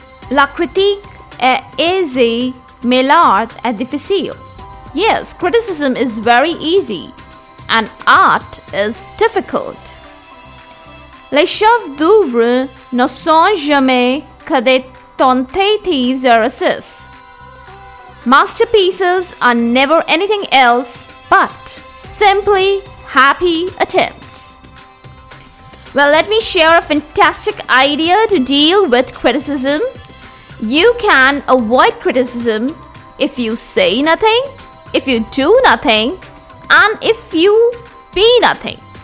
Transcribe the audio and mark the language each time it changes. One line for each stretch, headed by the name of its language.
French: La critique est aisée, mais l'art est difficile.
English: Yes, criticism is very easy and art is difficult.
French: Les chefs d'œuvre ne sont jamais que des tentatives de réussite.
English: Masterpieces are never anything else but simply happy attempts. Well, let me share a fantastic idea to deal with criticism. You can avoid criticism if you say nothing, if you do nothing, and if you be nothing.